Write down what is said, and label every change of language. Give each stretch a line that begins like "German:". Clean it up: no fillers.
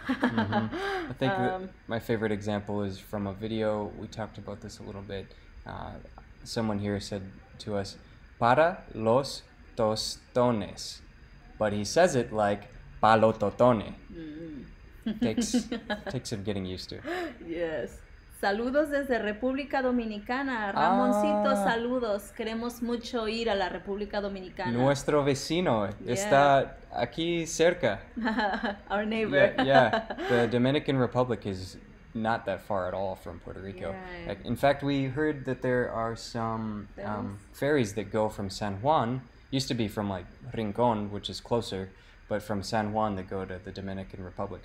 English: I think my favorite example is from a video. We talked about this a little bit. Someone here said to us,
Spanish: para los tostones.
English: But he says it like, palototone. takes some getting used to. Yes.
Spanish: Saludos desde República Dominicana. Ramoncito, saludos. Queremos mucho ir a la República Dominicana. Nuestro vecino está aquí cerca.
English: Our neighbor. Yeah. The Dominican Republic is not that far at all from Puerto Rico. Yeah. In fact, we heard that there are some ferries that go from San Juan. Used to be from like Rincon, which is closer, but from San Juan that go to the Dominican Republic.